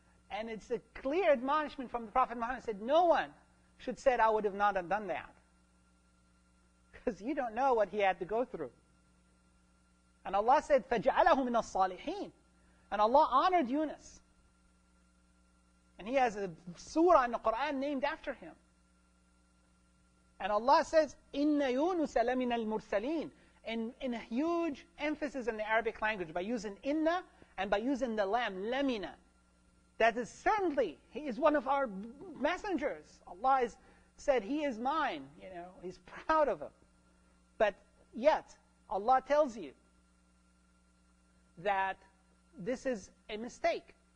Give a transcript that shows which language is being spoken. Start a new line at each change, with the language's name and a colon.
English: And it's a clear admonishment from the Prophet Muhammad. Said, no one should say, I would have not have done that. Because you don't know what he had to go through. And Allah said,
Arabic: فَجَعَلَهُ مِنَ الصَّالِحِينَ.
English: And Allah honored Yunus. And he has a surah in the Qur'an named after him. And Allah says,
Arabic: إِنَّ يُونُسَ لَمِنَ الْمُرْسَلِينَ.
English: In a huge emphasis in the Arabic language, by using inna and by using the lam, lamina. That is certainly, he is one of our messengers. Allah has said, he is mine. You know, he's proud of him. But yet, Allah tells you that this is a mistake.